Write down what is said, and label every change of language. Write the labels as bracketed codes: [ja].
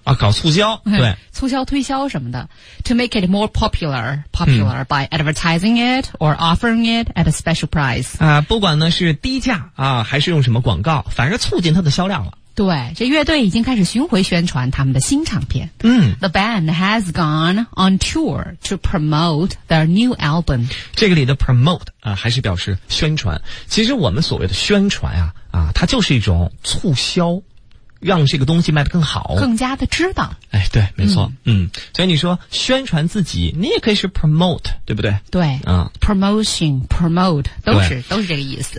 [zh] 啊，搞促销，对，促销推销什么的 [en] ，to make it more popular、嗯、by advertising it or offering it at a special price [zh] 啊，不管呢是低价啊，还是用什么广告，反正促进它的销量了。对，这乐队已经开始巡回宣传他们的新唱片。嗯 [en] ，The band has gone on tour to promote their new album。 [zh] 这个里的 promote 啊，还是表示宣传。其实我们所谓的宣传啊，它就是一种促销，让这个东西卖得更好，更加的知道。哎，对，没错。嗯，所以你说宣传自己，你也可以是 promote， 对不对？对，嗯，promotion、promote 都是这个意思。